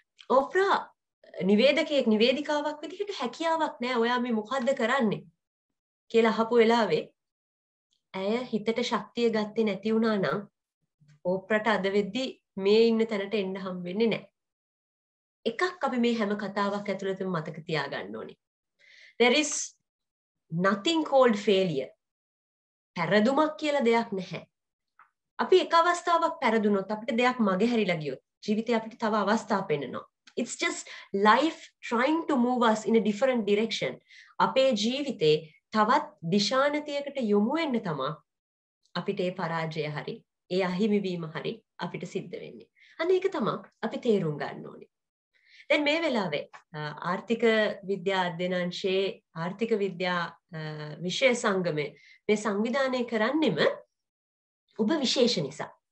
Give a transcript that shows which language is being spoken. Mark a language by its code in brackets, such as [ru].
[si] ඕප්‍රා නිවේදකයෙක් නිවේදිකාවක් විදිහට හැකියාවක් නැහැ ඔයා මේ මොකද්ද කරන්නේ කියලා අහපු වෙලාවේ ඇය හිතට ශක්තිය ගත්තේ නැති වුණා නම් ඕප්‍රාට අද වෙද්දි මේ ඉන්න තැනට එන්න හම් වෙන්නේ නැහැ. එකක් අපි මේ හැම කතාවක් ඇතුළතම මතක තියාගන්න ඕනේ. [en] There is nothing called failure. [si] පැරදුමක් කියලා දෙයක් නැහැ. අපි එක අවස්ථාවක් පැරදුනොත් අපිට දෙයක් මගහැරිලා ගියොත් ජීවිතේ අපිට තව අවස්ථා පෙන්නනවා. [en] It's just life trying to move us in a different direction. [si] අපේ ජීවිතේ තවත් දිශානතියකට යොමු වෙන්න තමා අපිට ඒ පරාජය හරි ඒ අහිමිවීම හරි අපිට සිද්ධ වෙන්නේ. අන්න ඒක තමයි අපි තේරුම් ගන්න ඕනේ. දැන් මේ වෙලාවේ ආර්ථික විද්‍යා අධ්‍යනංශයේ ආර්ථික විද්‍යා විෂය සංගමේ මේ සංවිධානය කරන්නෙම ඔබ විශේෂ නිසා.